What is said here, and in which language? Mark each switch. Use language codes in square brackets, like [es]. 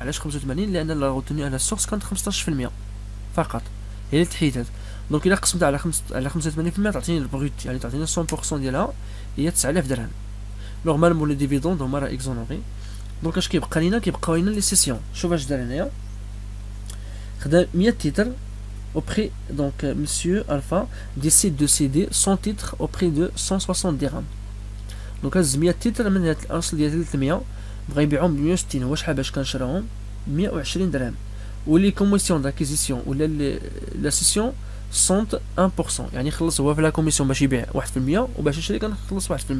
[ar] علاش 85؟ لان لا غوتوني على السورس كانت 15% فقط هي اللي تحيدت. دونك الى قسمتها على 85% تعطيني البروت، يعني تعطيني 100% ديالها، هي 9000 درهم. نورمالمون لي ديفيدوند هما راه اكزونوري. دونك اش كيبقى لينا؟ كيبقاو لينا لي سيسيون. شوف اش دار هنايا، خدا 100 تيتر [fr] au prix donc monsieur Alpha décide de céder 100 titres au prix de 160 dirhams. Donc à 100 titres [ar] من هاد الاصل ديال 300 بغا يبيعهم ب 160، واش حاب باش كنشراهم 120 درهم. ولي كوميسيون داكيزيسيون ولا لا سيسيون سونت 1%، يعني خلص هو في لا كوميسيون باش يبيع 1% وباش يشري كنخلص 1%.